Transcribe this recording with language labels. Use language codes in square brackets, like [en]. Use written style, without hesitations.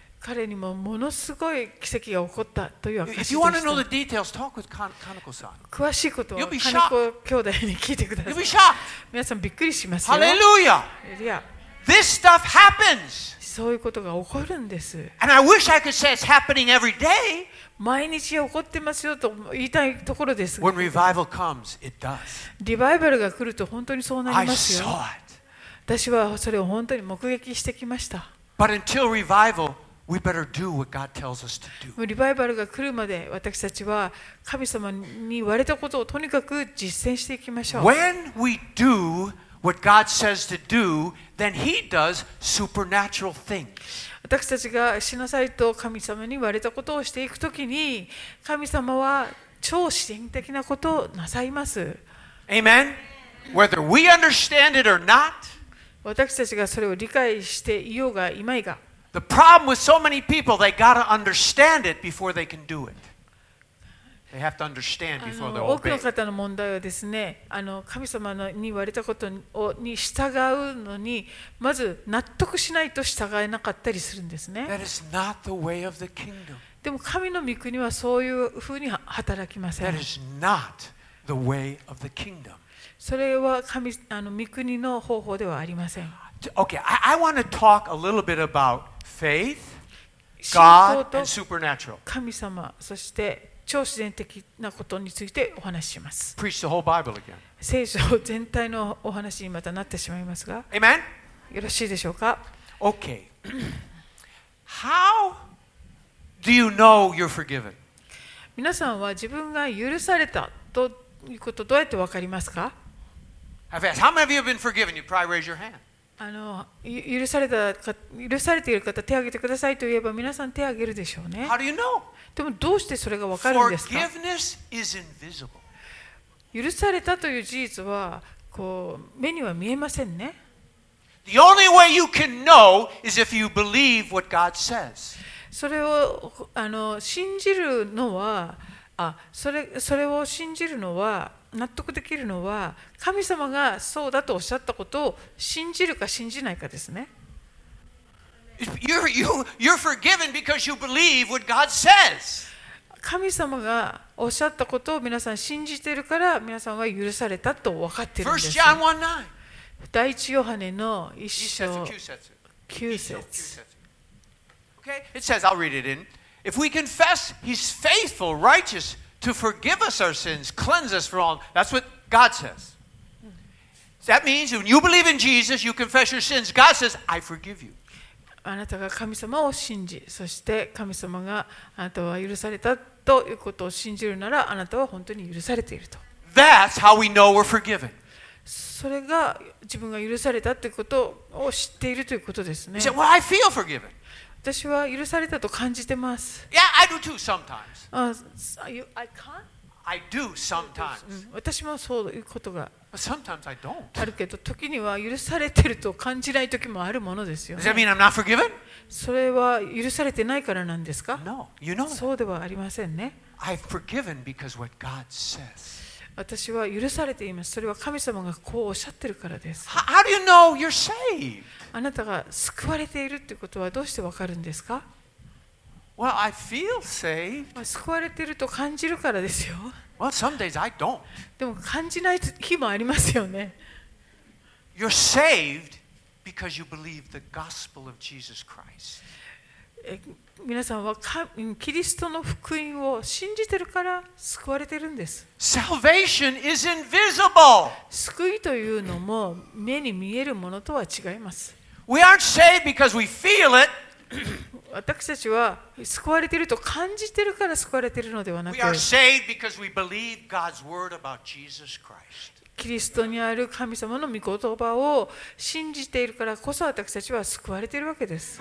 [ja] 彼にもものすごい奇跡が起こったという証しでした。 [en] If you want to know the details, talk with Kaneko-san. [ja] 詳しいことは Kaneko 兄弟に聞いてください。 [en] You'll be shocked. [ja] 皆さんびっくりしますよ。 [en] Hallelujah. Yeah. This stuff happens. [ja] そういうことが起こるんです。 [en] And I wish I could say it's happening every day. [ja] 毎日起こってますよと言いたいところです。 [en] When revival comes, it does. [ja] リバイバルが来ると本当にそうなりますよ。 [en] I saw it. [ja] 私はそれを本当に目撃してきました。 [en] But until revival, we better do what God tells us to do. [ja] リバイバルが来るまで私たちは神様に言われたことをとにかく実践していきましょう。 [en] When we doWhat God says to do, then He does supernatural things. [ja] 私たちがしなさいと神様に言われたことをしていくときに、神様は超自然的なことをなさいます。 [en] Amen. Whether we understand it or not, [ja] 私たちがそれを理解していようがいまいが、 [en] The problem with so many people, they gotta understand it before they can do it. They have to understand before they obey. [ja] 多くの方の問題はですね、神様に言われたことに従うのにまず納得しないと従えなかったりするんですね。 [en] That is not the way of the kingdom. [ja] でも神の御国はそういうふうに働きません。 [en] That is not the way of the kingdom. [ja] それは神御国の方法ではありません。 [en] Okay, I want to talk a little bit about faith, God, and supernatural. [ja] 神様、そして超自然的なことについてお話します。 [en] Preach the whole Bible again. [ja] 聖書全体のお話にまたなってしまいますが、 [en] Amen? [ja] よろしいでしょうか。 [en] Okay. How do you know you're forgiven? [ja] 皆さんは自分が許されたということをどうやって分かりますか。 [en] I've asked, how many of you have been forgiven? You probably raise your hand. [ja] 許されている方、手を挙げてくださいと言えば皆さん手を挙げるでしょうね。 [en] How do you know? [ja] でもどうしてそれが分かるんですか。 [en] Forgiveness is invisible. [ja] 許されたという事実はこう目には見えませんね。 [en] The only way you can know is if you believe what God says. [ja] それを信じるのは、それを信じるのは、納得できるのは、神様がそうだとおっしゃったことを信じるか信じないかですね。 [en] You're forgiven because you believe what God says. [ja] 神様がおっしゃったことを皆さん信じているから皆さんは許されたと分かっているんです。 [en] First John 1:9. [ja] 第一ヨハネの一章九節。 [en] Okay, it says, I'll read it in. If we confess, He's faithful, righteous to forgive us our sins, cleanse us from all. That's what God says. That means when you believe in Jesus, you confess your sins. God says, I forgive you. [ja] あなたが神様を信じ、そして神様があなたは許されたということを信じるなら、あなたは本当に許されていると。 [en] That's how we know we're forgiven. [ja] それが自分が許されたということを知っているということですね。 [en] You say, well, I feel forgiven. [ja] 私は許されたと感じてます。 [en] Yeah, I do too sometimes. I can't? I do sometimes. [ja] 私もそういうことが。 [en] But sometimes I don't. [ja] あるけど時には許されてると感じない時もあるものですよね。 [en] Does that mean I'm not forgiven? [ja] それは許されてないからなんですか? [en] No, you know. [ja] そうではありませんね。 [en] I've forgiven because what God says. [ja] 私は許されています。それは神様がこうおっしゃってるからです。 [en] How do you know you're saved? [ja] あなたが救われているってことはどうしてわかるんですか? [en] Well, I feel saved. [ja] 救われていると感じるからですよ。 [en] Well, some days I don't. [ja] でも感じない日もありますよね。 [en] You're saved because you believe the gospel of Jesus Christ. [ja] 皆さんはキリストの福音を信じてるから救われてるんです。 [en] Salvation is invisible. [ja] 救いというのも目に見えるものとは違います。 [en] We aren't saved because we feel it. [ja] 私たちは救われていると感じているから救われているのではなく、キリストにある神様の御言葉を信じているからこそ私たちは救われているわけです。